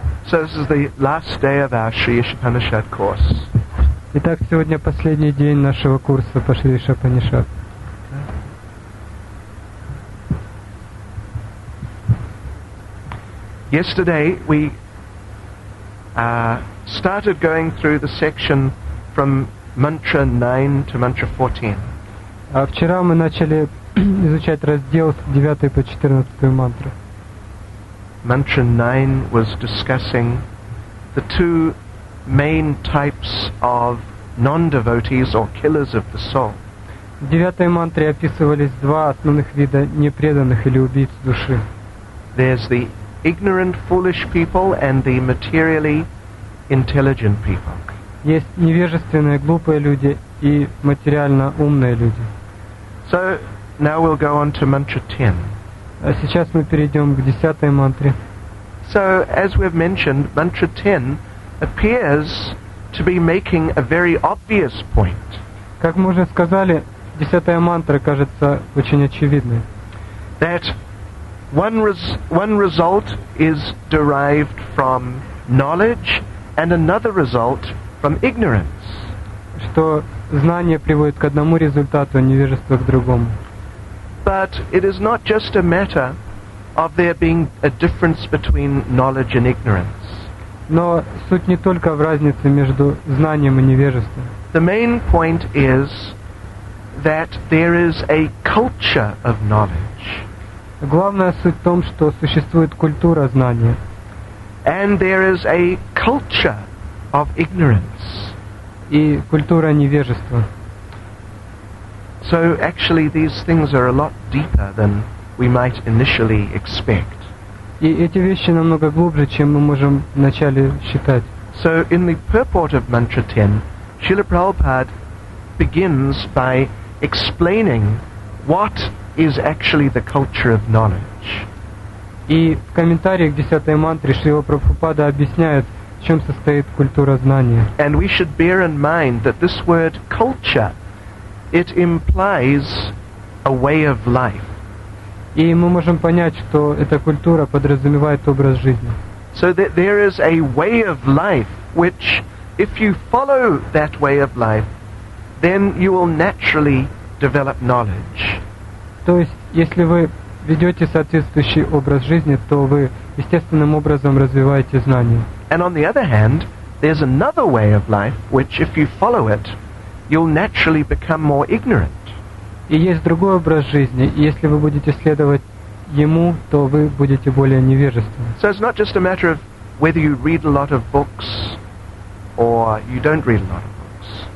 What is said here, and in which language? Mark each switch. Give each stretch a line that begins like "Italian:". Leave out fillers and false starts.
English: So this is the last day of our Sri Upanishad course.
Russian: Итак, сегодня последний день нашего курса по Шри Шапанишад.
English: Yesterday we started going through the section from mantra 9 to mantra 14.
Russian: А вчера мы начали изучать раздел с 9 по 14 мантры.
English: Mantra 9 was discussing the two main types of non-devotees or killers of the soul.
Russian: В девятой мантре описывались два основных вида непреданных или убийц души.
English: There's the ignorant, foolish people and the materially intelligent people.
Russian: Есть невежественные, глупые люди и материально умные люди.
English: So now we'll go on to mantra 10.
Russian: А сейчас мы перейдем к десятой мантре.
English: So as we've mentioned, mantra 10 appears to be making a very obvious point.
Russian: Как мы уже сказали, десятая мантра кажется очень очевидной.
English: That one result is derived from knowledge and another result from ignorance.
Russian: Что знание приводит к одному результату, а невежество к другому.
English: But it is not just a matter of there being a difference between knowledge and ignorance.
Russian: Но суть не только в разнице между знанием и невежеством.
English: The main point is that there is a culture of knowledge.
Russian: Главная суть в том, что существует культура знания.
English: And there is a culture of ignorance.
Russian: И культура невежества.
English: So actually these things are a lot deeper than we might initially expect.
Russian: И эти вещи намного глубже, чем мы можем вначале считать.
English: So in the purport of mantra 10, Srila Prabhupada begins by explaining what is actually the culture of knowledge.
Russian: И в комментариях к десятой мантре Шрила Прабхупада объясняет, в чем состоит культура знания.
English: And we should bear in mind that this word culture, it implies a way of life.
Russian: И мы можем понять, что эта культура подразумевает образ жизни.
English: So that there is a way of life, which if you follow that way of life, then you will naturally develop knowledge.
Russian: То есть, если вы ведете соответствующий образ жизни, то вы естественным образом развиваете знания.
English: And on the other hand, there's another way of life, which if you follow it, you'll naturally become more ignorant.
Russian: И есть другой образ жизни, и если вы будете следовать ему, то вы будете более невежественны.
English: So it's not just a matter of whether you read a lot of books or you don't read a lot of books.